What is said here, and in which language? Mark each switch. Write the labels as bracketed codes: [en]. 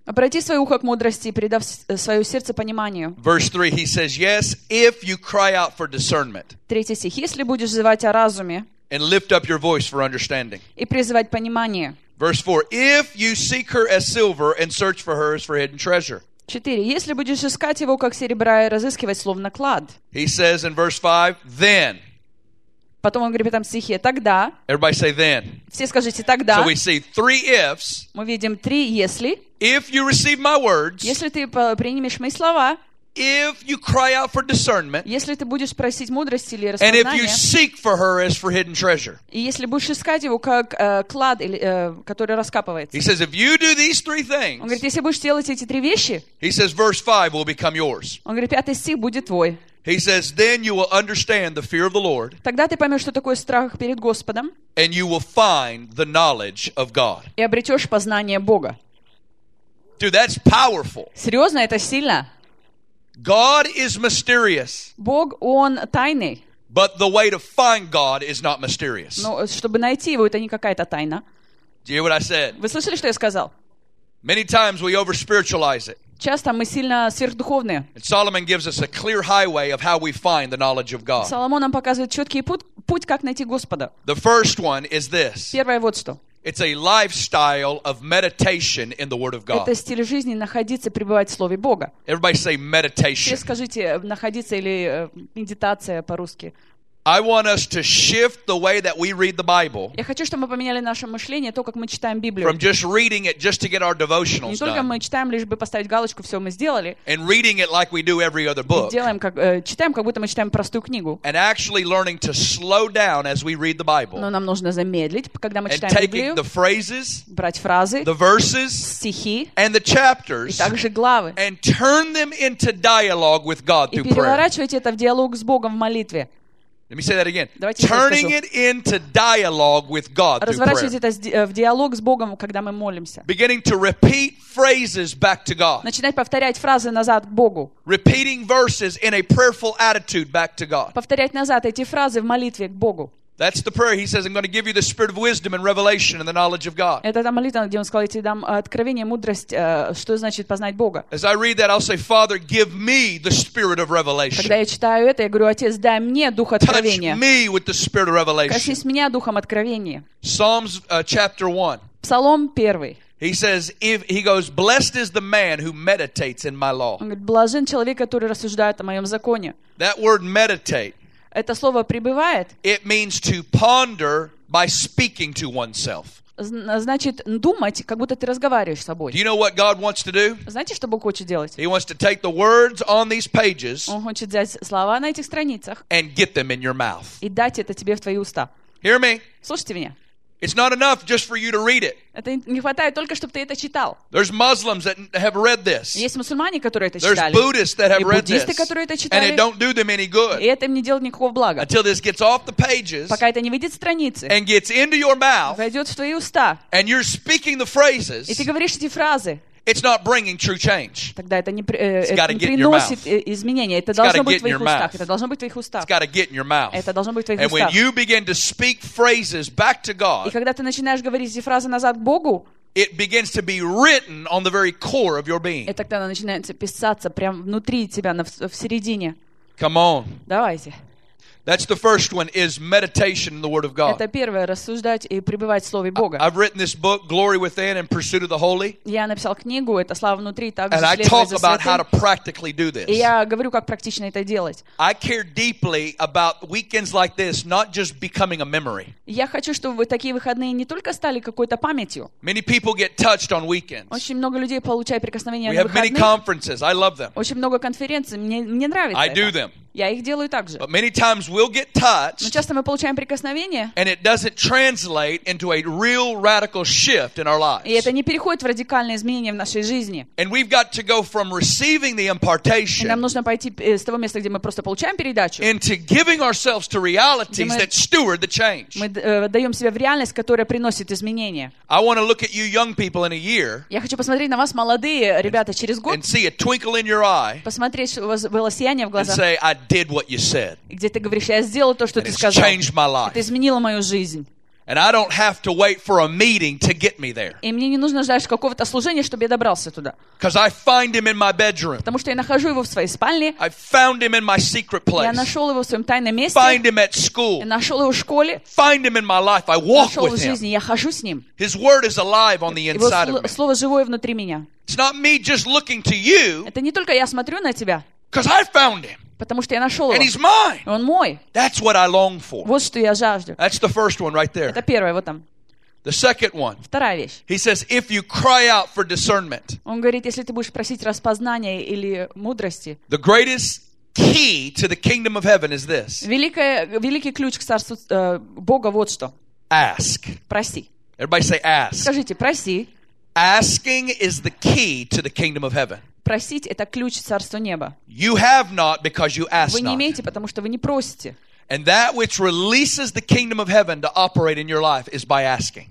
[ru] Обрати свое ухо к мудрости и придав свое сердце пониманию. [en] Verse 3, he says, yes, if you cry out for discernment. [ru] Третий стих, если будешь взывать о разуме. [en] And lift up your voice for understanding. [ru] И призывать понимание. [en] Verse 4, if you seek her as silver and search for her as for hidden treasure. [ru] Четыре, если будешь искать его как серебра и разыскивать словно клад. [en] He says in verse 5, then. [ru] Потом он говорит в этом стихе, тогда. [en] Everybody say then. [ru] Все скажите тогда. [en] So we see three ifs. [ru] Мы видим три если. [en] If you receive my words. [ru] Если ты принимешь мои слова. [en] If you cry out for discernment. [ru] Если ты будешь просить мудрости или распознания. [en] And if you seek for her as for hidden treasure. [ru] И если будешь искать его как клад, который раскапывается. [en] He says if you do these three things. [ru] Он говорит, если будешь делать эти три вещи. [en] He says verse 5 will become yours. [ru] Он говорит, пятый стих будет твой. [en] He says, then you will understand the fear of the Lord. [ru] Тогда ты поймешь, что такое страх перед Господом. [en] And you will find the knowledge of God. [ru] И обретешь познание Бога. [en] Dude, that's powerful. [ru] Серьезно, это сильно. [en] God is mysterious. [ru] Бог, он тайный. [en] But the way to find God is not mysterious. [ru] Но чтобы найти его, это не какая-то тайна. [en] Do you hear what I said? [ru] Вы слышали, что я сказал? [en] Many times we over-spiritualize it. [ru] Часто мы сильно сверхдуховные. [en] Solomon gives us a clear highway of how we find the knowledge of God. [ru] Соломон нам показывает четкий путь, как найти Господа. [en] The first one is this. [ru] Первое вот что. [en] It's a lifestyle of meditation in the Word of God. [ru] Это стиль жизни находиться, пребывать в Слове Бога. [en] Everybody say meditation. [ru] Все скажите находиться или медитация по-русски. [en] I want us to shift the way that we read the Bible. [ru] Я хочу, чтобы мы поменяли наше мышление, то, как мы читаем Библию. [en] From just reading it, just to get our devotionals done. [ru] Не только мы читаем, лишь бы поставить галочку, все мы сделали. [en] And reading it like we do every other book. [ru] Делаем как читаем, как будто мы читаем простую книгу. [en] And actually learning to slow down as we read the Bible. [ru] Но нам нужно замедлить, когда мы читаем Библию. [en] And taking the phrases. [ru] Брать фразы. [en] The verses. [ru] Стихи. [en] And the chapters. [ru] И также главы. [en] And turn them into dialogue with God through prayer. [ru] И переворачивать это в диалог с Богом в молитве. [en] Let me say that again. [ru] Давайте [en] turning it into dialogue with God through prayer. [ru] Разворачивать это в диалог с Богом, когда мы молимся. [en] Beginning to repeat phrases back to God. [ru] Начинать повторять фразы назад к Богу. [en] Repeating verses in a prayerful attitude back to God. [ru] Повторять назад эти фразы в молитве к Богу. [en] That's the prayer. He says, "I'm going to give you the spirit of wisdom and revelation and the knowledge of God." [ru] Это та молитва, где он сказал, я тебе дам откровение, мудрость, что значит познать Бога. [en] As I read that, I'll say, "Father, give me the spirit of revelation." [ru] Когда я читаю это, я говорю, Отец, дай мне дух откровения. [en] Touch me with the spirit of revelation. [ru] Коснись меня духом откровения. [en] Psalms chapter 1. [ru] Псалом 1. [en] He says, "If he goes, blessed is the man who meditates in my law." [ru] Он говорит, блажен человек, который рассуждает о моем законе. [en] That word meditate. [ru] Это слово пребывает. [en] It means to ponder by speaking to oneself. [ru] Значит, думать, как будто ты разговариваешь с собой. [en] Do you know what God wants to do? [ru] Знаете, что Бог хочет делать? [en] He wants to take the words on these pages. [ru] Он хочет взять слова на этих страницах. [en] And get them in your mouth. [ru] И дать это тебе в твои уста. [en] Hear me. [ru] Слушайте меня. [en] It's not enough just for you to read it. [ru] Это не хватает только, чтобы ты это читал. [en] There's Muslims that have read this. [ru] Есть мусульмане, которые это [en] There's There's Buddhists that have read this. [ru] И буддисты, которые это читали. [en] And it don't do them any good. [ru] И это им не делает никакого блага. [en] Until this gets off the pages. [ru] Пока это не выйдет с страницы. [en] And gets into your mouth. [ru] Войдет в твои уста. [en] And you're speaking the phrases. [ru] И ты говоришь эти фразы. [en] It's not bringing true change. [ru] Тогда это не приносит изменения. Это должно быть в твоих устах. Это должно быть в твоих устах. [en] It's got to get in your mouth. [ru] Это должно быть в твоих устах. [en] And when you begin to speak phrases back to God, [ru] и когда ты начинаешь говорить эти фразы назад к Богу, [en] it begins to be written on the very core of your being. [ru] Это тогда начинается писаться прямо внутри тебя, в середине. [en] Come on. [ru] Давайте. [en] That's the first one, is meditation in the Word of God. [ru] Это первое, рассуждать и пребывать в Слове Бога. [en] I've written this book, Glory Within and Pursuit of the Holy. [ru] Я написал книгу, это Слава внутри, также следует за святым. [en] And I talk about how to practically do this. [ru] И я говорю, как практично это делать. [en] I care deeply about weekends like this, not just becoming a memory. [ru] Я хочу, чтобы вы такие выходные не только стали какой-то памятью. [en] Many people get touched on weekends. [ru] Очень много людей получают прикосновение на выходные. [en] We have many conferences. I love them. [ru] Очень много конференций, мне нравится [en] I [ru] это. [en] Do them. [ru] Я их делаю так же. [en] But many times we'll get touched, [ru] но часто мы получаем прикосновение, [en] and it doesn't translate into a real radical shift in our lives. [ru] И это не переходит в радикальные изменения в нашей жизни. [en] And we've got to go from receiving the impartation, [ru] и нам нужно пойти с того места, где мы просто получаем передачу, [en] into giving ourselves to realities that steward the change. [ru] Мы даем себя в реальность, которая приносит изменения. [en] I want to look at you young people in a year. [ru] Я хочу посмотреть на вас, молодые ребята, через год, [en] and see a twinkle in your eye. [ru] Посмотреть, что у вас было сияние в глазах. [en] I did what you said. [ru] Где ты говоришь, я сделал то, что ты сказал. [en] It's changed my life. [ru] Это изменило мою жизнь. [en] And I don't have to wait for a meeting to get me there. [ru] И мне не нужно ждать какого-то служения, чтобы я добрался туда. [en] Because I find him in my bedroom. [ru] Потому что я нахожу его в своей спальне. [en] I found him in my secret place. [ru] Я нашел его в своем тайном месте. [en] Find him at school. [ru] Я нашел его в школе. [en] Find him in my life. I walk with him. [ru] Нашел его в жизни. Я хожу с ним. [en] His word is alive on the inside of me. [ru] Его слово живое внутри меня. [en] It's not me just looking to you. [ru] Это не только я смотрю на тебя. [en] Because I found him. [ru] Потому что я нашел его. [en] And he's mine. [ru] Он мой. [en] That's what I long for. [ru] Вот что я жажду. [en] That's the first one right there. [ru] Это первое, вот там. [en] The second one. [ru] Вторая вещь. [en] He says, if you cry out for discernment. [ru] Он говорит, если ты будешь просить распознания или мудрости. [en] The greatest key to the kingdom of heaven is this. [ru] Великий ключ к царству Бога вот что. [en] Ask. [ru] Проси. [en] Everybody say ask. [ru] Скажите, проси. [en] Asking is the key to the kingdom of heaven. [ru] Просить — это ключ царства неба. [en] You have not because you ask not. [ru] Вы не имеете, потому что вы не просите. [en] And that which releases the kingdom of heaven to operate in your life is by asking.